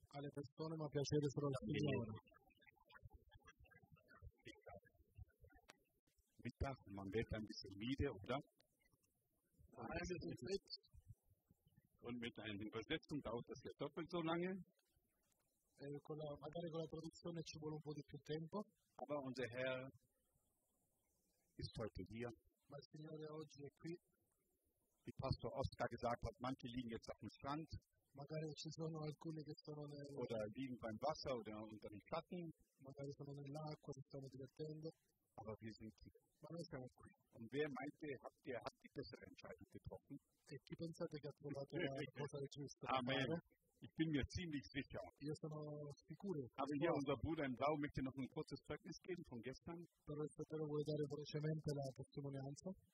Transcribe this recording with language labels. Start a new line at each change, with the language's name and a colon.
Italian: Alle persone, ma piacere solo al Signore.
German: Mittag, man wird ein bisschen müde, oder? Ein bisschen fit. Und mit einer Übersetzung dauert das ja doppelt so lange.
Italian: Magari con la traduzione ci vuole un po' di più tempo.
German: Aber unser Herr ist heute hier.
Italian: Ma il Signore oggi è qui.
German: Wie Pastor Oskar gesagt hat, manche liegen jetzt auf dem Strand.
Italian: Magari ci sono alcuni che sono
German: oder liegen beim Wasser oder unter den Schatten.
Italian: Magari sono nell'acqua, si stanno divertendo.
German: Aber wir sind hier.
Italian: Ma noi siamo qui.
German: Und wer meinte, hat die bessere Entscheidung getroffen?
Italian: E chi pensate che ha trovato la cosa giusta? Amen.
German: Ich bin mir ziemlich sicher.
Italian: Io sono sicuro.
German: Aber hier unser Bruder in Blau möchte noch ein kurzes Zeugnis geben von gestern.
Italian: Però il fratello vuole dare velocemente la testimonianza.